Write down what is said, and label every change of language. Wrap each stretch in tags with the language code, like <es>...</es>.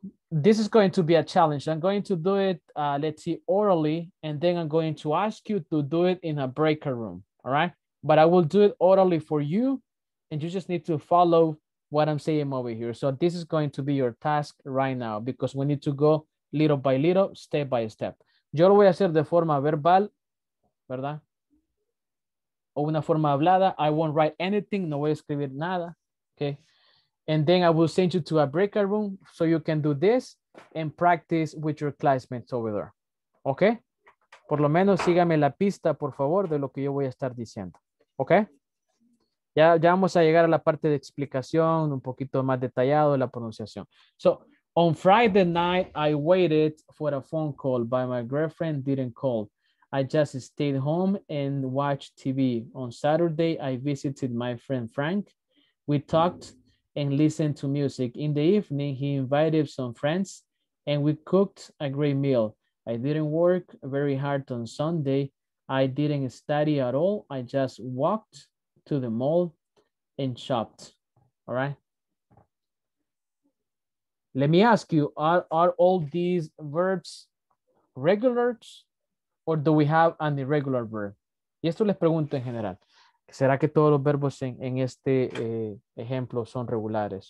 <en>This is going to be a challenge. I'm going to do it, let's see, orally, and then I'm going to ask you to do it in a breaker room, all right? But I will do it orally for you, and you just need to follow what I'm saying over here. So this is going to be your task right now, because we need to go little by little, step by step.</en> <es>Yo lo voy a hacer de forma verbal, ¿verdad? O una forma hablada.</es> <en>I won't write anything.</en> <es>No voy a escribir nada. Okay.</es> <en>And then I will send you to a breakout room so you can do this and practice with your classmates over there. Okay.</en> <es>Por lo menos sígame la pista, por favor, de lo que yo voy a estar diciendo. Okay. Ya vamos a llegar a la parte de explicación, un poquito más detallado, la pronunciación.</es> <en>So, on Friday night, I waited for a phone call, but my girlfriend didn't call. I just stayed home and watched TV. On Saturday, I visited my friend Frank. We talked and listened to music. In the evening, he invited some friends and we cooked a great meal. I didn't work very hard on Sunday. I didn't study at all. I just walked to the mall and shopped. All right. Let me ask you, are all these verbs regular? Or do we have an irregular verb?</en> <es>Y esto les pregunto en general. ¿Será que todos los verbos en este ejemplo son regulares?</es>